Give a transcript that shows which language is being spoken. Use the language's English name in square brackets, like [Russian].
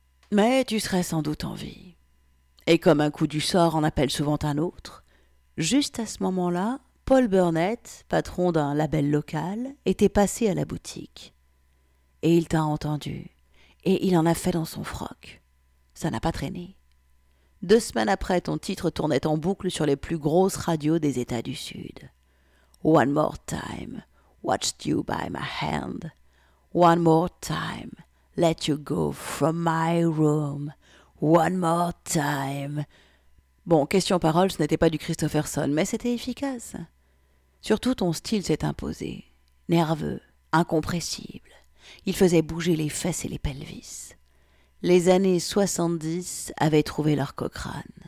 [French] Mais tu serais sans doute en vie. Et comme un coup du sort en appelle souvent un autre, juste à ce moment-là, Paul Burnett, patron d'un label local, était passé à la boutique. Et il t'a entendu, et il en a fait dans son froc. Ça n'a pas traîné. 2 semaines après, ton titre tournait en boucle sur les plus grosses radios des États du Sud. [English] One more time, watched you by my hand. One more time, let you go from my room. One more time. [French] Bon, question parole, ce n'était pas du Christopherson, mais c'était efficace. Surtout, ton style s'est imposé. Nerveux, incompressible. Il faisait bouger les fesses et les pelvis. Les années 70 avaient trouvé leur Cochrane.